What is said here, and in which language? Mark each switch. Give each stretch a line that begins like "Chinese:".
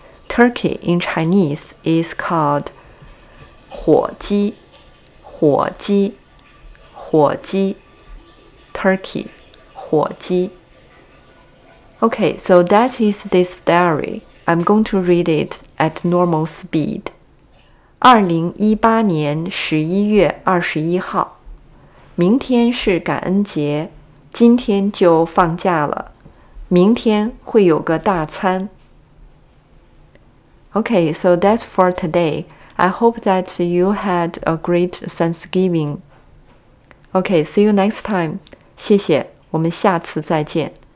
English: Turkey in Chinese is called 火鸡，火鸡，火鸡 ，Turkey， 火鸡。 Okay, so that is this diary. I'm going to read it at normal speed.
Chinese: 二零一八年十一月二十一号，明天是感恩节，今天就放假了，明天会有个大餐。
English: Okay, so that's for today. I hope that you had a great Thanksgiving. Okay, see you next time.
Chinese: 谢谢，我们下次再见。